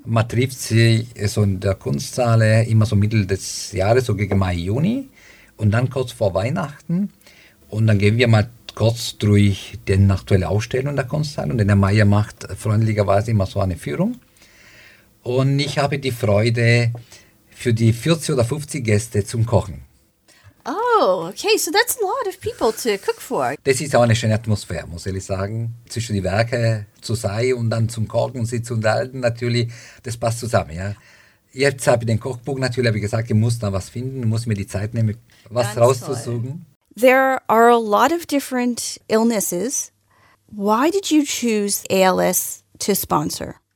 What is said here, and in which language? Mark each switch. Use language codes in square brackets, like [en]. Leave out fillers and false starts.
[de] Man trifft sich so in der Kunsthalle immer so Mitte des Jahres, so gegen Mai, Juni und dann kurz vor Weihnachten. Und dann gehen wir mal kurz durch die aktuelle Ausstellung der Kunsthalle und der Meier macht freundlicherweise immer so eine Führung. Und ich habe die Freude, für die 40 oder 50 Gäste zum Kochen. [en] Oh, okay, so that's a lot of people to cook for. [de] Das ist auch eine schöne Atmosphäre, muss ich sagen. Zwischen die Werke zu sein und dann zum Kochen und sie zu unterhalten, natürlich, das passt zusammen, ja. Jetzt habe ich den Kochbuch, natürlich habe ich gesagt, ich muss da was finden, muss mir die Zeit nehmen, was ganz rauszusuchen. Toll. [en] There are a lot of different illnesses. Why did you choose ALS to sponsor?